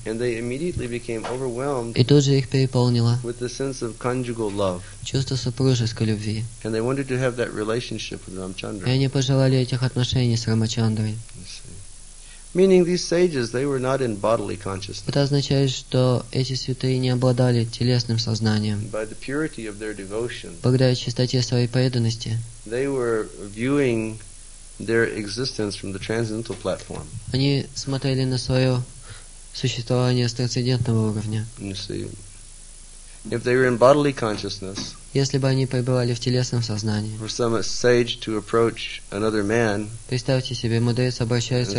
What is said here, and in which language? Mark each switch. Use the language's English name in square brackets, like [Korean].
[English] And they immediately became overwhelmed. [Russian] И тут же их переполнило. [English] With the sense of conjugal love. [Russian] Чувство супружеской любви. [English] And they wanted to have that relationship with Ramchandra. [Russian] И они пожелали этих отношений с Рамачандрой. [English] Meaning these sages, they were not in bodily consciousness. [Russian] Это означает, что эти святые не обладали телесным сознанием. [English] By the purity of their devotion. [Russian] Благодаря чистоте своей преданности. [English] They were viewing their existence from the transcendental platform. [Russian] Они смотрели на свое существование с трансцендентного уровня. [English] You see, if they were in bodily consciousness, [Russian] если бы они пребывали в телесном сознании, [English] for some sage to approach another man, [Russian] представьте себе, мудрец обращается